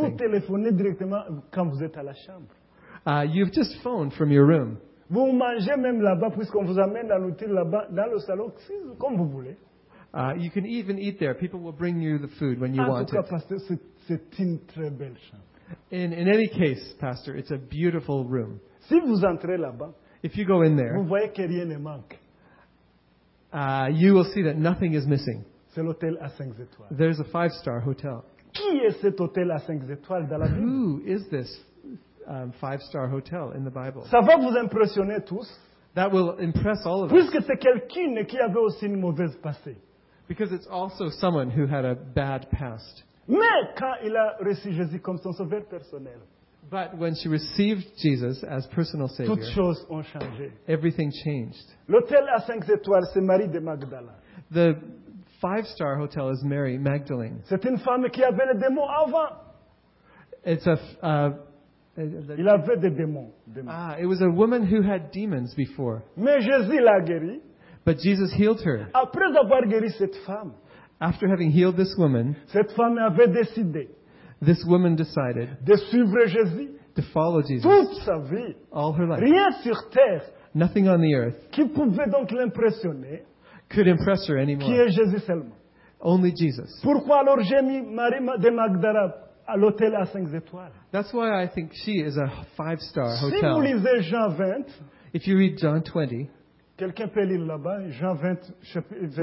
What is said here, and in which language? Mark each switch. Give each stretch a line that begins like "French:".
French: Vous téléphonez directement quand vous êtes à la chambre.
English: You've just phoned from your room.
French: Vous mangez même là-bas puisqu'on vous amène à l'hôtel là-bas dans le salon comme vous voulez.
English: You can even eat there. People will bring you the food when you want it.
French: C'est une très belle chambre.
English: In any case, Pastor, it's a beautiful room.
French: Si vous entrez là-bas,
English: if you go in there,
French: vous voyez que rien ne manque.
English: You will see that nothing is missing.
French: C'est l'hôtel à 5 étoiles.
English: There's a 5-star hotel.
French: Qui est cet hôtel à 5 étoiles dans la Bible?
English: Who is this 5-star hotel in the Bible?
French: Ça va vous impressionner tous.
English: That will impress all of
French: puisque
English: us.
French: Puisque c'est quelqu'un qui avait aussi une mauvaise passé.
English: Because it's also someone who had a bad past.
French: Mais quand il a reçu Jésus comme son sauveur personnel,
English: but when she received Jesus as personal savior,
French: toutes choses ont changé.
English: Everything changed.
French: L'hôtel à 5 étoiles, c'est Marie de Magdala.
English: The 5-star hotel is Mary Magdalene.
French: C'est une femme qui avait les démons avant.
English: It's a
French: il avait des démons.
English: It was a woman who had demons before.
French: Mais Jésus l'a guérie.
English: But Jesus healed her.
French: Après avoir guéri cette femme,
English: after having healed this woman,
French: cette femme avait décidé,
English: this woman decided
French: de suivre Jésus,
English: to follow Jesus
French: toute sa vie,
English: all her life.
French: Rien sur terre,
English: nothing on the earth
French: qui pouvait donc l'impressionner,
English: could impress her anymore.
French: Qui est Jésus seulement.
English: Only Jesus.
French: Pourquoi alors j'ai mis Marie de Magdala à l'hôtel à 5 étoiles?
English: That's why I think she is a 5-star
French: hotel. Si vous lisez Jean 20,
English: if you read John 20,
French: quelqu'un peut lire là-bas, Jean 20, verset 1.